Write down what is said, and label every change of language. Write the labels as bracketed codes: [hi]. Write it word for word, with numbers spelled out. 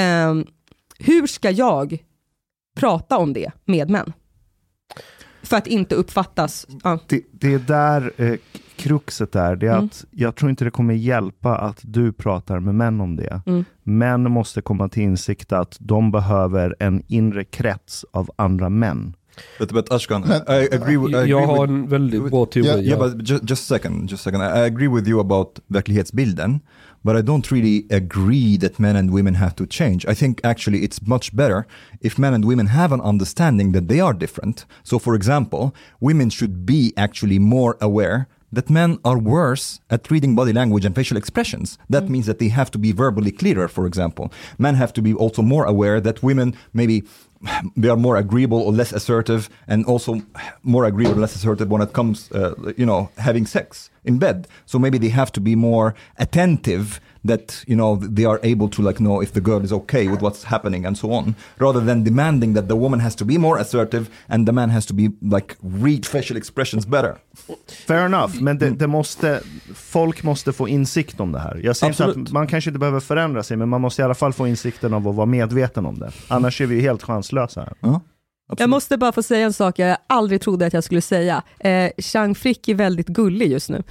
[sv] Um, hur ska jag prata om det med män? För att inte uppfattas... Uh. Det, det är där eh, kruxet är. Det är mm. att jag tror inte det kommer hjälpa att du pratar med män om det. Mm. Män måste komma till insikt att de behöver en inre krets av andra män. [en] But, but Ashkan, I, I agree with, I [sv] jag [en] agree [sv] har [en] with, [sv] en väldigt [en] with, [sv] bra teori. [en] Yeah, yeah, but just, just second, just second. I agree with you about verklighetsbilden, but I don't really agree that men and women have to change. I think actually it's much better if men and women have an understanding that they are different. So for example, women should be actually more aware that men are worse at reading body language and facial expressions. That mm. means that they have to be verbally clearer, for example. Men have to be also more aware that women maybe they are more agreeable or less assertive, and also more agreeable or less assertive when it comes, uh, you know, having sex in bed. So maybe they have to be more attentive that, you know, they are able to like know if the girl is okay with what's happening and so on, rather than demanding that the woman has to be more assertive and the man has to be like read facial expressions better. Fair enough, [sv] men det, det måste, folk måste få insikt om det här. Jag säger absolut. Inte att man kanske inte behöver förändra sig, men man måste i alla fall få insikten av att vara medveten om det. Annars är vi helt chanslösa här. Uh-huh. Absolut. Jag måste bara få säga en sak jag aldrig trodde att jag skulle säga. Eh, Chang Frick är väldigt gullig just nu.